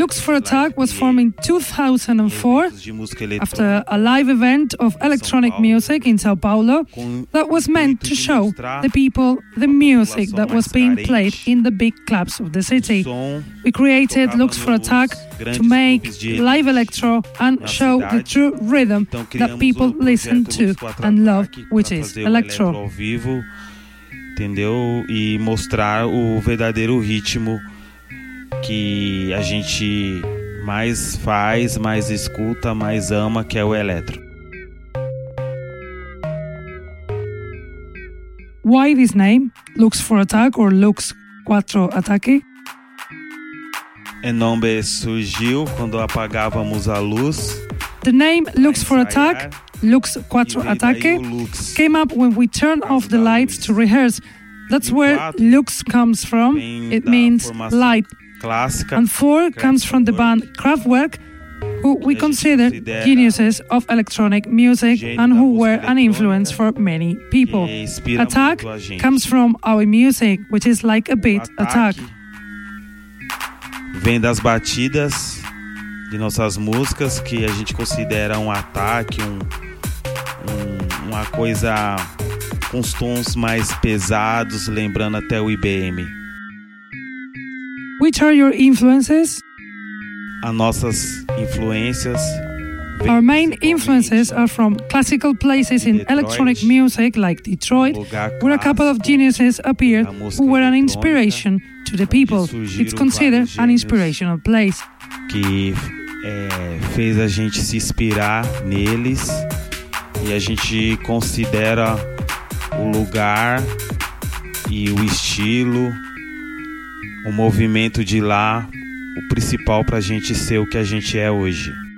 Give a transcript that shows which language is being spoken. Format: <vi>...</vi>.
<en>Lux for Attack was formed in 2004 after a live event of electronic music in São Paulo that was meant to show the people the music that was being played in the big clubs of the city. We created Lux for Attack to make live electro and show the true rhythm that people listen to and love, which is electro.</en> <pt>Entendeu? E mostrar o verdadeiro ritmo que a gente mais faz, mais escuta, mais ama, que é o eletro.</pt> <en>Why this name? Lux for Attack or Lux Quattro Attacche?</en> <pt>O nome surgiu quando apagávamos a luz.</pt> <en>The name Lux for Attack, Lux Quattro Attacche, came up when we turned off the lights to rehearse. That's where Lux comes from. It means light. And four comes from the band Kraftwerk, who we consider geniuses of electronic music and who were an influence for many people. Attack comes from our music, which is like a beat attack.</en> <pt>Vem das batidas de nossas músicas, que a gente considera um ataque, uma coisa com os tons mais pesados, lembrando até o IBM.</pt> <en>Which are your influences?</en> <pt>As nossas influências.</pt> <en>Our main influences are from classical places in electronic music like Detroit, where a couple of geniuses appeared who were an inspiration to the people. It's considered an inspirational place.</en> <pt>Que fez a gente se inspirar neles e a gente considera o lugar e o estilo. O movimento de lá, o principal para a gente ser o que a gente é hoje.</pt>